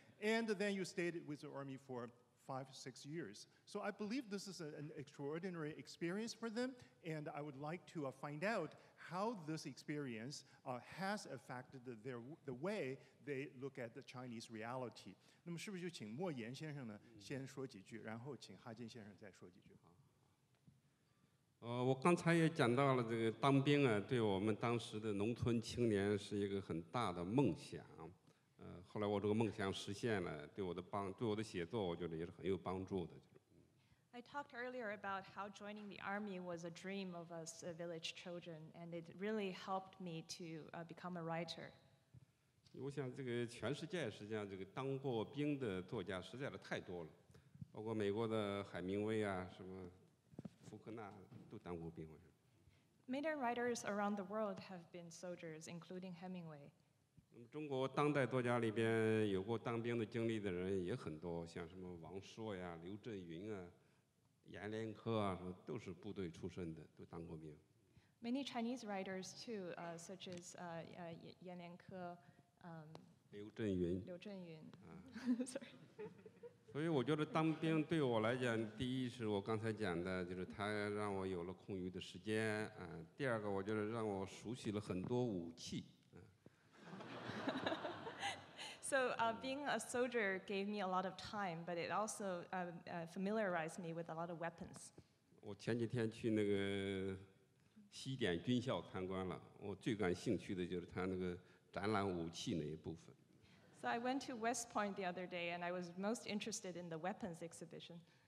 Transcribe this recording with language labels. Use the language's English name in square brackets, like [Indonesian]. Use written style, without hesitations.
[English] And then you stayed with the army for 5-6 years. So I believe this is an extraordinary experience for them, and I would like to find out how this experience has affected the way they look at the Chinese reality. [Chinese] 那么是不是就请莫言先生呢先说几句，然后请哈金先生再说几句。我刚才也讲到了这个当兵啊，对我们当时的农村青年是一个很大的梦想。后来我这个梦想实现了，对我的写作，我觉得也是很有帮助的。 [English] I talked earlier about how joining the army was a dream of us village children, and it really helped me to become a writer. [Chinese] 我想这个全世界实际上这个当过兵的作家实在是太多了，包括美国的海明威啊，什么。 [English] Many writers around the world have been soldiers, including Hemingway. [Chinese] 中国当代作家里边有过当兵的经历的人也很多，像什么王朔呀、刘震云啊、阎连科啊，什么都是部队出身的，都当过兵。 [English] Many Chinese writers too, such as 阎连科、 [Chinese] 刘震云。 [English] Sorry. [Chinese] 所以我觉得当兵对我来讲，第一是我刚才讲的，就是它让我有了空余的时间啊。第二个，我觉得让我熟悉了很多武器。 [English] So being a soldier gave me a lot of time, but it also familiarized me with a lot of weapons. [Chinese] 我前几天去那个西点军校参观了，我最感兴趣的就是它那个展览武器那一部分。 [English] So I went to West Point the other day, and I was most interested in the weapons exhibition.